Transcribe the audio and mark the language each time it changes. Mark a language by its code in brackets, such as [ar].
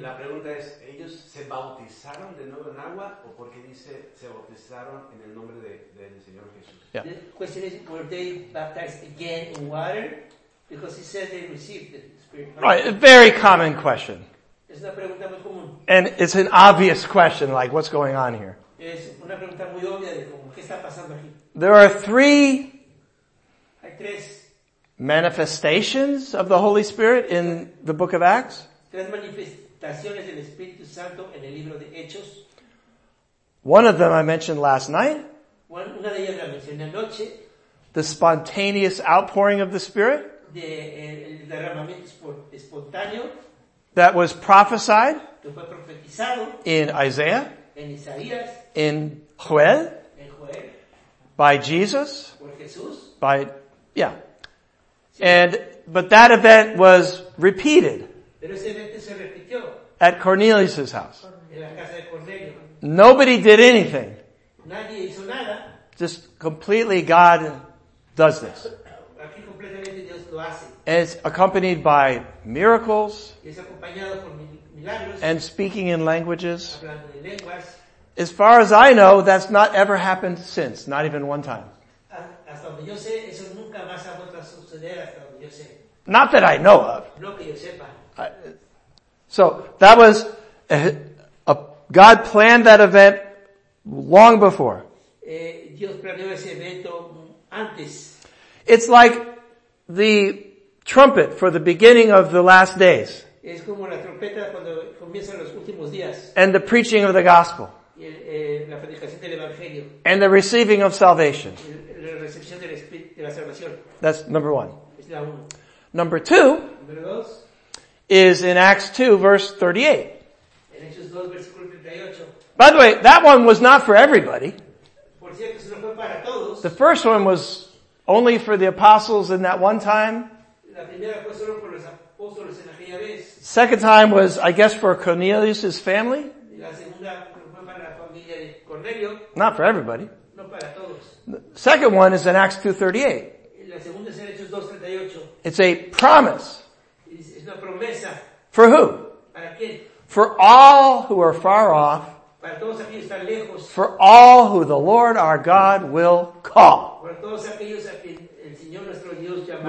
[es] La pregunta es, ¿ellos se bautizaron de nuevo en agua? ¿O por qué dice, se bautizaron en el nombre del Señor Jesús? [en] Yeah. The question is, were they baptized again in water? Because he said they received the Spirit. Right, a very common question. [es] Es una pregunta muy común. [en] And it's an obvious question, like, what's going on here? [es] Es una pregunta muy obvia de cómo, ¿qué está pasando aquí? [en] There are three manifestations of the Holy Spirit in the book of Acts. [es] Tres manifestaciones del Espíritu Santo en el libro de Hechos. [en] One of them I mentioned last night. [es] Una de ellas la mencioné anoche. [en] The spontaneous outpouring of the Spirit. [es] El derramamiento espontáneo. [en] That was prophesied. [es] Que fue profetizado. [en] In Isaiah. [es] En Isaías. [en] In Joel. [es] En Joel. [en] By Jesus. [es] Por Jesús. [en] By, yeah. And, but that event was repeated. [es] Pero ese evento se repitió. [en] At Cornelius' house. [es] En la casa de Cornelio. [en] Nobody did anything. [es] Nadie hizo nada. [en] Just completely God does this. [es] Aquí completamente Dios lo hace. [en] And it's accompanied by miracles. [es] Y es acompañado por milagros. [en] And speaking in languages. [es] Hablando en lenguas. [en] As far as I know, that's not ever happened since, not even one time. [es] Hasta donde yo sé, eso nunca más ha vuelto a suceder, hasta donde yo sé. [en] Not that I know of. [es] No que yo sepa. [en] So that was God planned that event long before. [es] Dios planeó ese evento antes. [en] It's like the trumpet for the beginning of the last days. [es] Es como la trompeta cuando comienzan los últimos días. [en] And the preaching of the gospel. [es] La predicación del evangelio. [en] And the receiving of salvation. [es] La recepción del espíritu de la salvación. [en] That's number one. [es] Es la uno. [en] Number two. [es] Número dos. [en] Is in Acts 2, verse 38. By the way, that one was not for everybody. [es] Por cierto, eso no fue para todos. [en] The first one was only for the apostles in that one time. [es] La primera fue solo por los apóstoles en aquella vez. [en] Second time was, I guess, for Cornelius' family. [es] La segunda fue para la familia de Cornelio. [en] Not for everybody. [es] No para todos. [en] The second one is in Acts 2, 38. [es] La segunda es en Hechos 2, 38. [en] It's a promise. [es] Una promesa. [en] For who? [es] ¿Para quién? [en] For all who are far off. [es] Para todos aquellos que están lejos. [en] For all who the Lord our God will call. [es] Para todos aquellos a quien el Señor nuestro Dios llamará.